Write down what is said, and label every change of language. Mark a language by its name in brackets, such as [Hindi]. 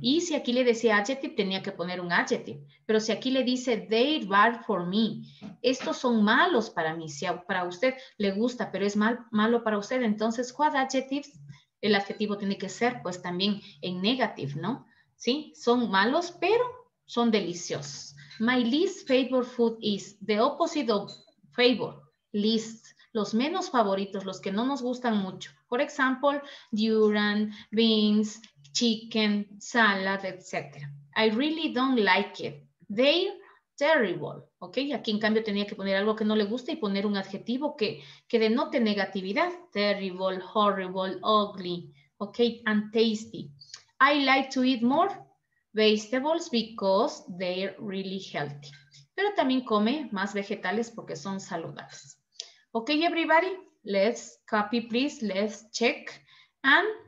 [Spanish] Y si aquí le decía adjective, tenía que poner un adjective. Pero si aquí le dice [English] they bad for me, [Spanish] estos son malos para mí. Si para usted le gusta, pero es malo para usted, entonces, [English] what adjectives? [Spanish] El adjetivo tiene que ser, pues, también en negative, ¿no? ¿Sí? Son malos, pero son deliciosos. [English] My least favorite food is the opposite of favor, least. [Spanish] Los menos favoritos, los que no nos gustan mucho. Por ejemplo, [English] durian, beans, chicken, salad, etc. I really don't like it. They're terrible. [Spanish] Ok, aquí en cambio tenía que poner algo que no le gusta y poner un adjetivo que denote negatividad. [English] Terrible, horrible, ugly, ok, and tasty. I like to eat more vegetables because they're really healthy. [Spanish] Pero también come más vegetales porque son saludables. [English] Ok, everybody, let's copy, please. Let's check and